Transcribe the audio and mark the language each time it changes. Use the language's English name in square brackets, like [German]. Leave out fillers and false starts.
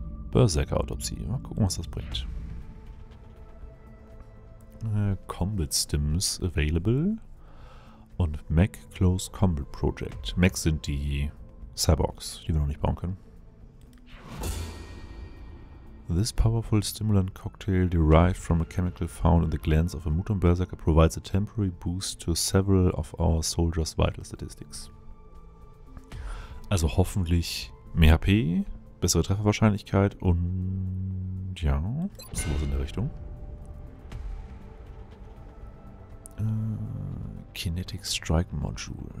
[German] Berserker-Autopsie. Mal gucken, was das bringt. [English] Combat Stims available. Und Mech Close Combat Project. [German] Mechs sind die Cyborgs, die wir noch nicht bauen können. [English] This powerful stimulant cocktail derived from a chemical found in the glands of a Muton Berserker provides a temporary boost to several of our soldiers' vital statistics. [German] Also hoffentlich mehr HP, bessere Trefferwahrscheinlichkeit und ja, sowas in der Richtung. [English] Kinetic Strike Module.